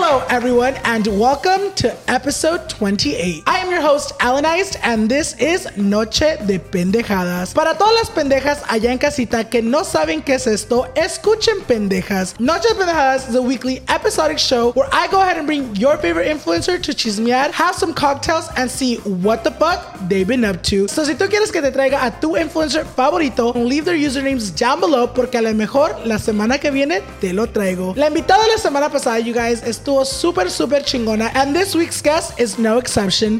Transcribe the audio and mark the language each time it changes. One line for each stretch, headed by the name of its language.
English: Everyone, and welcome to episode 28. I am your host, Alan Iced, and this is Noche de Pendejadas.
Spanish: Para todas las pendejas allá en casita que no saben qué es esto, escuchen pendejas.
English: Noche de Pendejadas is a weekly episodic show where I go ahead and bring your favorite influencer to chismear, have some cocktails, and see what the fuck they've been up to.
Spanish: So si tú quieres que te traiga a tu influencer favorito,
English: leave their usernames down below
Spanish: porque a lo mejor la semana que viene te lo traigo. La invitada de la semana pasada,
English: you guys,
Spanish: estuvo super, super chingona.
English: And this week's guest is no exception.